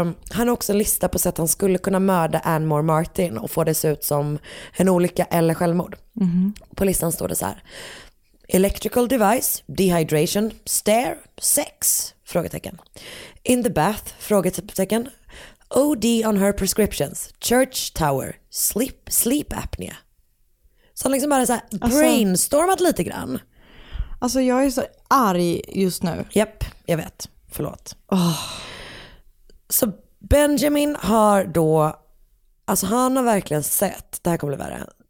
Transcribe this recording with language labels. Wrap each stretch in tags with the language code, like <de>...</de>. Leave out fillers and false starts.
<sv>Han har också en lista på sätt han skulle kunna mörda Anne Moore Martin och få det se ut som en olycka eller självmord. Mm-hmm. På listan står det så här:</sv> <en>electrical device, dehydration, stare, sex,</en> <sv>frågetecken.</sv> <en>In the bath,</en> <sv>frågetecken.</sv> <en>OD on her prescriptions, church tower, sleep apnea.</en> <sv>Så han liksom bara så här brainstormat alltså, lite grann. Alltså jag är så arg just nu. Japp, yep, jag vet. Förlåt. Oh. Så Benjamin har då, alltså han har verkligen sett, det här kommer bli värre.</sv>